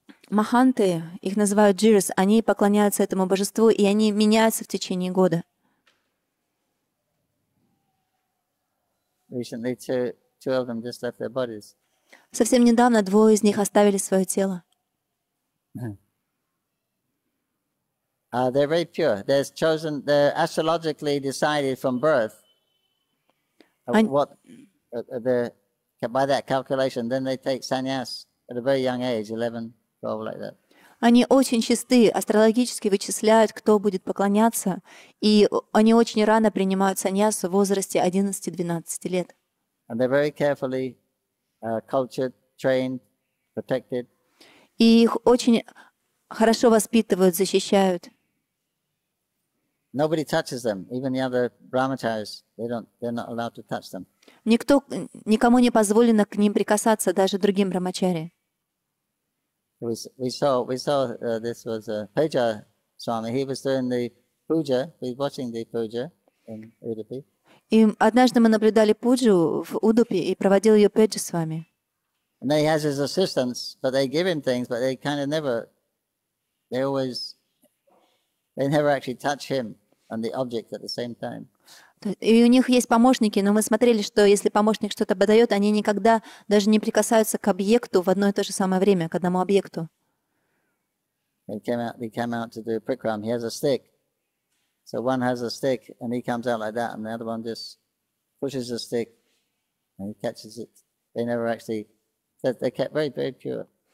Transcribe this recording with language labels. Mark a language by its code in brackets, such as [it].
[ru] Маханты, их называют джирис, они поклоняются этому божеству, и они меняются в течение года. [en] Recently two of them just left their bodies. [ru] Совсем недавно двое из них оставили свое тело. [en] They're very pure. They're chosen, they're astrologically decided from birth. By that calculation, then they take sannyas at a very young age, 11. Like that. [ru] Они очень чисты, астрологически вычисляют, кто будет поклоняться, и они очень рано принимают саньясу в возрасте 11-12 лет. [en] And they're very carefully cultured, trained, protected. [ru] И их очень хорошо воспитывают, защищают. [en] Nobody touches them, even the other brahmacharis, they're not allowed to touch them. [ru] Никому не позволено к ним прикасаться, даже другим брахмачари. [en] We saw this was a Peja Swami. He was doing the puja. He was watching the puja in Udupi. [ru] И однажды мы наблюдали пуджу в Удупи и проводил ее педжи с вами. [en] And he has his assistants, but they give him things, but they kind of never. They never actually touch him and the object at the same time. [ru] И у них есть помощники, но мы смотрели, что если помощник что-то подает, они никогда даже не прикасаются к объекту в одно и то же самое время, к одному объекту. [en] He came out to do a prikram. He has a stick. So one has a stick, and he comes out like that, and the other one just pushes the stick, and he catches it. They never actually, they kept very, very pure.